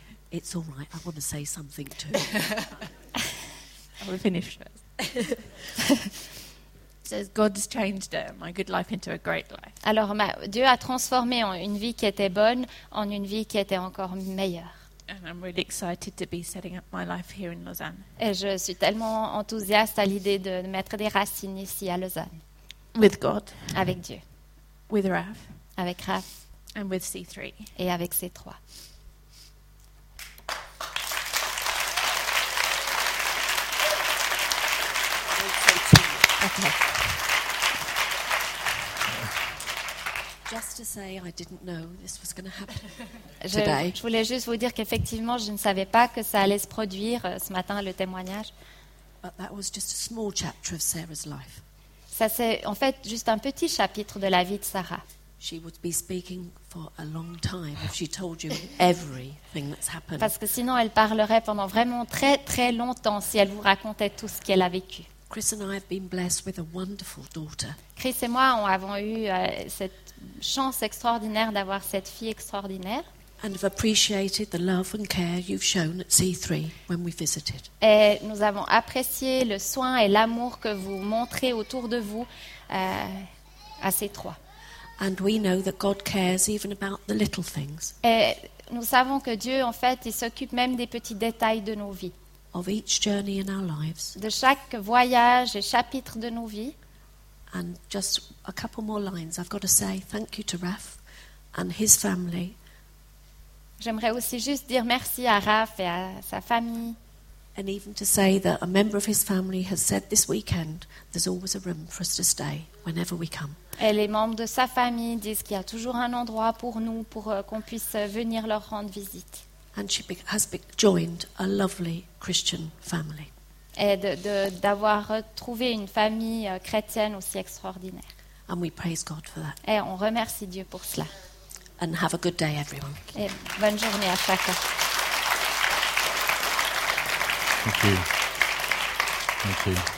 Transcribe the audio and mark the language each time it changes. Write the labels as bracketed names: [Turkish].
[English] It's all right. I want to say something too. I will finish first. It says God's changed my good life into a great life. [French] Alors, Dieu a transformé une vie qui était bonne en une vie qui était encore meilleure. [English] And I'm really excited to be setting up my life here in Lausanne. [French] Et je suis tellement enthousiaste à l'idée de mettre des racines ici à Lausanne. [English] With God. [French] Avec Dieu. [English] With Raph. [French] Avec Raph. [English] And with C3. [French] Et avec C3. [English] Okay. Just to say, I didn't know this was going to happen today. [French] Je voulais juste vous dire qu'effectivement, je ne savais pas que ça allait se produire ce matin le témoignage. [English] But that was just a small chapter of Sarah's life. [French] Ça c'est en fait juste un petit chapitre de la vie de Sarah. [English] She would be speaking for a long time if she told you everything that's happened. [French] Parce que sinon, elle parlerait pendant vraiment très très longtemps si elle vous racontait tout ce qu'elle a vécu. [English] Chris and I have been blessed with a wonderful daughter. [French] Chris et moi avons eu cette chance extraordinaire d'avoir cette fille extraordinaire. [English] And have appreciated the love and care you've shown at C3 when we visited. [French] Et nous avons apprécié le soin et l'amour que vous montrez autour de vous à C3. [English] And we know that God cares even about the little things. [French] Et nous savons que Dieu en fait, il s'occupe même des petits détails de nos vies. [English] Of each journey in our lives. [French] De chaque voyage et chapitre de nos vies. [English] And just a couple more lines. I've got to say thank you to Raph and his family. [French] J'aimerais aussi juste dire merci à Raph et à sa famille. [English] And even to say that a member of his family has said this weekend there's always a room for us to stay whenever we come. [French] Et les membres de sa famille disent qu'il y a toujours un endroit pour nous pour qu'on puisse venir leur rendre visite. [English] And she has joined a lovely Christian family. [French] Et d'avoir retrouvé une famille chrétienne aussi extraordinaire. [English] And we praise God for that. [French] Et on remercie Dieu pour cela. [English] And have a good day, everyone. [French] Et bonne journée à chacun. [English] Thank you. Thank you.